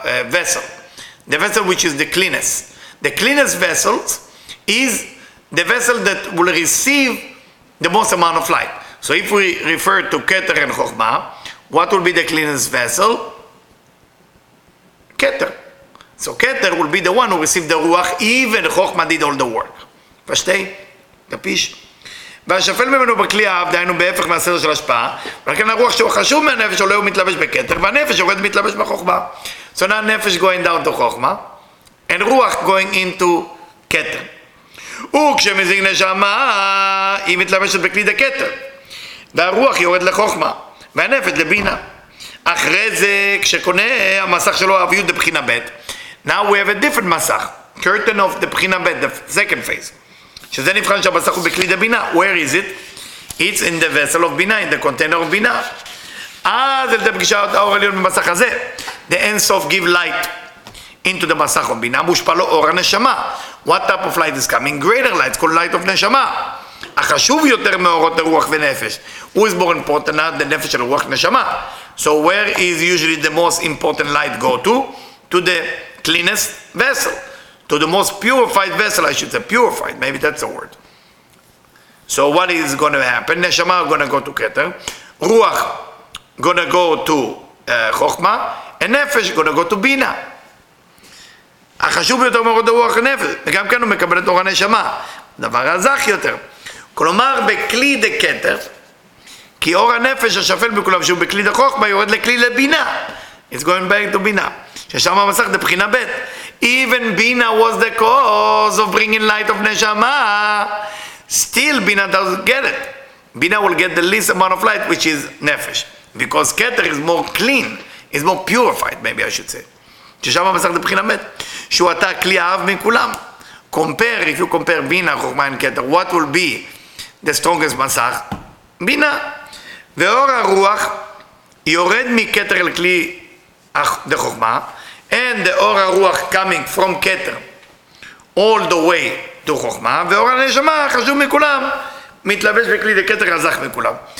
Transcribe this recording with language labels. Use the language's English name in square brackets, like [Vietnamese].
[English] Vessel, the vessel which is the cleanest. The cleanest vessel is the vessel that will receive the most amount of light. So if we refer to Keter and Chokhmah, what will be the cleanest vessel? Keter. So Keter will be the one who received the Ruach, even Chokhmah did all the work. Pashtei? Kapish? [Hebrew] והשפל ממנו בכלי האב, דהיינו בהפך מהסדר של השפעה, ולכן הרוח שהוא חשוב מהנפש עולה ומתלבש בכתר, והנפש יורד ומתלבש בחוכמה. [English] So now נפש going down to חוכמה, and רוח going into כתר. [Hebrew] וכשמזיג נשמה, היא מתלבשת בכלי דה כתר, והרוח יורד לחוכמה, והנפש לבינה. אחרי זה, כשקונה המסך שלו האביות בבחינה ב', [English] now we have a different מסך, curtain of the בחינה ב', the second phase. [Hebrew] שזה נבחן שהמסך הוא בכלי דה בינה. [English] Where is it? It's in the vessel of בינה, in the container of בינה. [Hebrew] אז על ידי פגישת האור עליון במסך הזה. [English] The אינסוף give light into the מסך of בינה, [Hebrew] מושפע לו אור הנשמה. [English] What type of light is coming? Greater light, it's called light of נשמה. [Hebrew] החשוב יותר מאורות הרוח ונפש. [English] Who is more important than the נפש של רוח נשמה? So where is usually the most important light go to? To the cleanest vessel. To the most purified vessel, I should say purified, maybe that's the word. So what is going to happen? Neshama is going to go to Keter, Ruach going to go to Chokhmah, and Nefesh going to go to Bina. [Hebrew] החשוב יותר מאוד הרוח הנפש, וגם כן הוא מקבל את אור הנשמה, דבר הזך יותר. כלומר, בכלי דה קטר, כי אור הנפש השפל בכולם, שהוא בכלי דה חוכמה, יורד לכלי לבינה. [English] It's going back to Bina. [Hebrew] ששם המסך דה בחינה ב'. [English] Even Bina was the cause of bringing light of Neshama. Still, Bina doesn't get it. Bina will get the least amount of light, which is Nefesh. Because Keter is more clean, is more purified, maybe I should say. [Hebrew] ששם המסך דבחינה מת. שהוא עתה כלי אהב מכולם. [English] Compare, if you compare Bina, Chokhmah and Keter, what will be the strongest מסך, בינה. ואור הרוח יורד מכתר אל כלי החוכמה, and the אור הרוח coming from כתר all the way to חוכמה, ואור הנשמה חשוב מכולם, מתלבש בכלי דה כתר רזך מכולם.